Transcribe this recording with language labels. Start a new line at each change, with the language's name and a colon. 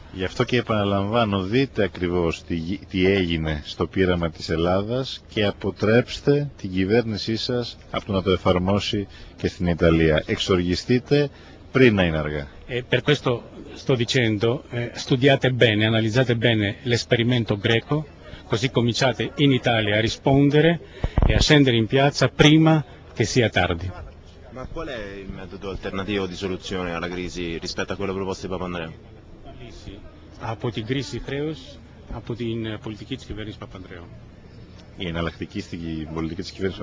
Greek: Γι' αυτό και επαναλαμβάνω, δείτε ακριβώς τι έγινε στο πείραμα της Ελλάδας και αποτρέψτε την κυβέρνησή σας από το να το εφαρμόσει και στην Ιταλία. Εξοργιστείτε πριν να είναι αργά.
Italian: Per questo sto dicendo, studiate bene, analizzate bene l'esperimento greco, così cominciate in Italia a rispondere e a scendere in piazza prima che sia tardi. Ma qual è il metodo alternativo di soluzione alla crisi rispetto a quello proposto di Papandreou?
Greek: Από την κρίση χρέους, από την πολιτική της κυβέρνησης Παπανδρέου. Η εναλλακτική στην πολιτική της κυβέρνησης